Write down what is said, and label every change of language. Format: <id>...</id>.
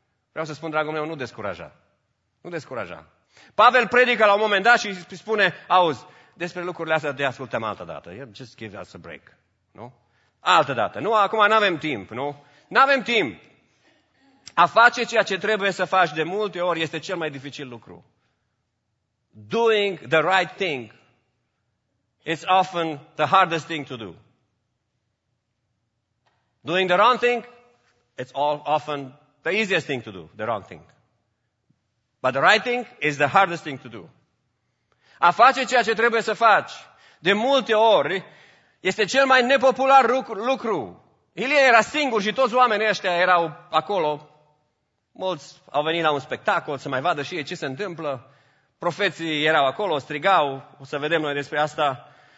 <ro>Vreau să spun, dragul meu, nu descuraja. Pavel predică la un moment dat și îi spune: auzi, despre lucrurile astea te ascultăm altă dată.</ro> <en>Just give us a break.</en> <ro>Nu? Altă dată. Nu, acum n-avem timp, nu? N-avem timp. A face ceea ce trebuie să faci de multe ori este cel mai dificil lucru.</ro> <en>Doing the right thing is often the hardest thing to do. Doing the wrong thing, it's often the easiest thing to do, the wrong thing. But the right thing is the hardest thing to do.</en> <ro>A face ceea ce trebuie să faci, de multe ori, este cel mai nepopular lucru. Ilie era singur și toți oamenii ăștia erau acolo. Mulți au venit la un spectacol să mai vadă și ei ce se întâmplă. Profeții erau acolo, strigau, o să vedem noi despre asta.</ro>